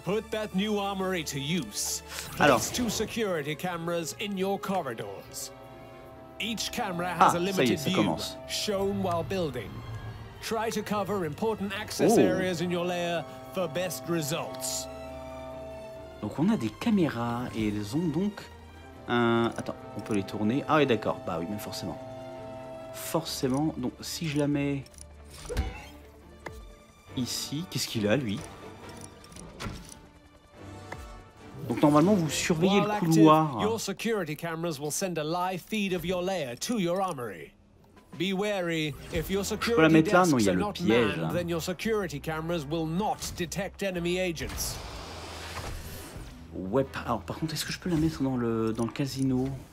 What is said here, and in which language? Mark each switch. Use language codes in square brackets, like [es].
[en] Put that new armory to use. [fr] Alors. [en] Place two security cameras in your corridors. Each camera has a limited view shown while building. Try to cover important access areas in your lair for best results. [fr] Donc on a des caméras et elles ont donc un... Attends, on peut les tourner. Ah oui, d'accord. Bah oui, mais forcément. Forcément. Donc si je la mets ici, qu'est-ce qu'il a, lui? Donc normalement, vous surveillez le couloir. [en] Your security cameras will send a live feed of your lair to your armory. Be wary if your security desks are not manned, then your security cameras will not detect enemy agents. [fr] Ouais. Alors par contre, est-ce que je peux la mettre dans le casino?